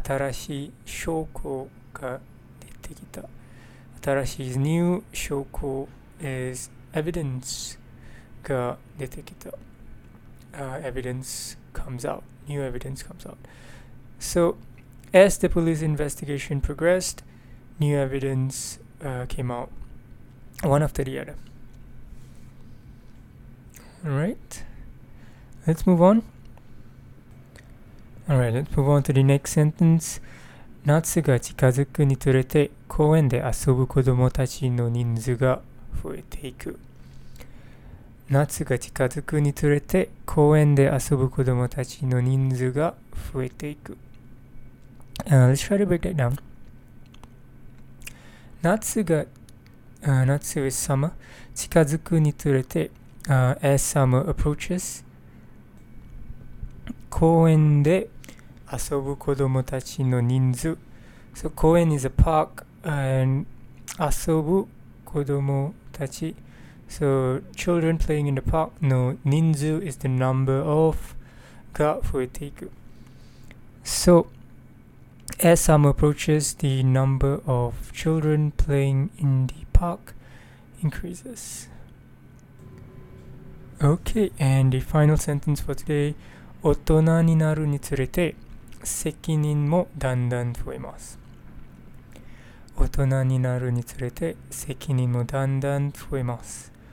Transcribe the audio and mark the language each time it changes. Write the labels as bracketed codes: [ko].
[ja] 新しい証拠が出てきた新しい [en] new [ja] 証拠 [en] is evidence [ja] が出てきた [en] evidence comes out new evidence comes out soAs the police investigation progressed, new evidence came out, one after the other. Alright, let's move on. Alright, let's move on to the next sentence. [ja] 夏が近づくにつれて、公園で遊ぶ子供たちの人数が増えていく。夏が近づくにつれて、公園で遊ぶ子供たちの人数が増えていく。 [en] Let's try to break that down. Natsu is summer. Chikazuku ni tsurete, as summer approaches. [ja] Koen de asobu kodomo tachi no ninzu. [en] So koen is a park and [ja] asobu kodomo tachi. [en] So children playing in the park [ja] no ninzu [en] is the number of [ja] ga fuiteiku. [en] So,As summer approaches, the number of children playing in the park increases. Okay, and the final sentence for today. [ja] 大人になるにつれて、責任もだんだん増えます。大人になるにつれて、責任もだんだん増えます。